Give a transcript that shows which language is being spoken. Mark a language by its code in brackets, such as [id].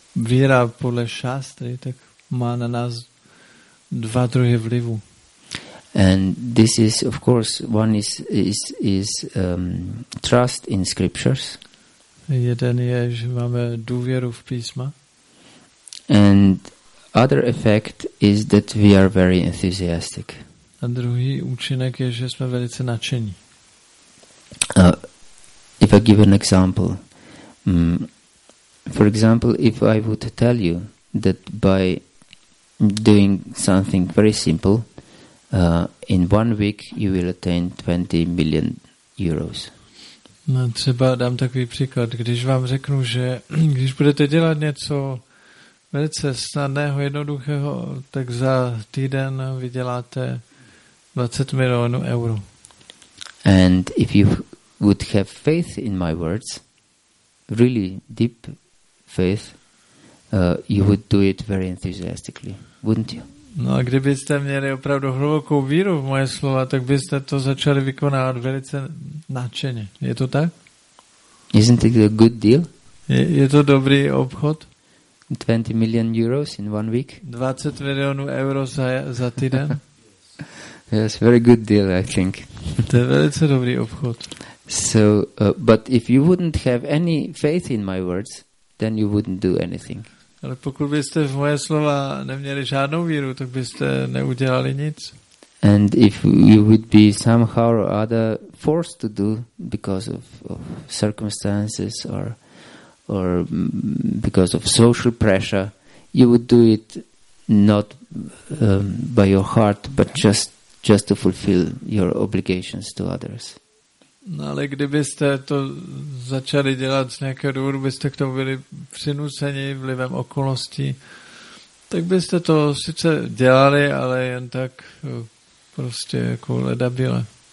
[cs] víra podle šástry, tak má na nás dva druhy vlivu. [en] And this is, of course, one is trust in scriptures. [cs] Jeden je, že máme důvěru v písma. [en] And other effect is that we are very enthusiastic. [cs] A druhý účinek je, že jsme velice nadšení. [en] If I give an example, for example, if I would tell you that by doing something very simple, in 1 week you will attain 20 million euros. [cs] No, třeba dám takový příklad. Když vám řeknu, že když budete dělat něco velice snadného, jednoduchého, tak za týden vyděláte 20 milionů euro. [en] And if you would have faith in my words, really deep faith, you would do it very enthusiastically, wouldn't you? [cs] No, a kdybyste měli opravdu hlubokou víru v moje slova, tak byste to začali vykonávat velice nadšeně. Je to tak? [en] Isn't it a good deal? [cs] Je to dobrý obchod? [en] 20 million euros in 1 week? [cs] 20 milionů euro za týden? [en] Yes, very good deal, I think. [cs] To je velice dobrý obchod. [en] So, but if you wouldn't have any faith in my words, then you wouldn't do anything. [cs] Ale pokud byste v moje slova neměli žádnou víru, tak byste neudělali nic. [en] And if you would be somehow or other forced to do because of circumstances or because of social pressure, you would do it not by your heart, but just to fulfill your obligations to others. [cs] No, ale kdybyste to začali dělat z nějakého důvodu, byste k tomu byli přinuceni vlivem okolností, tak byste to sice dělali, ale jen tak prostě jako ledabile.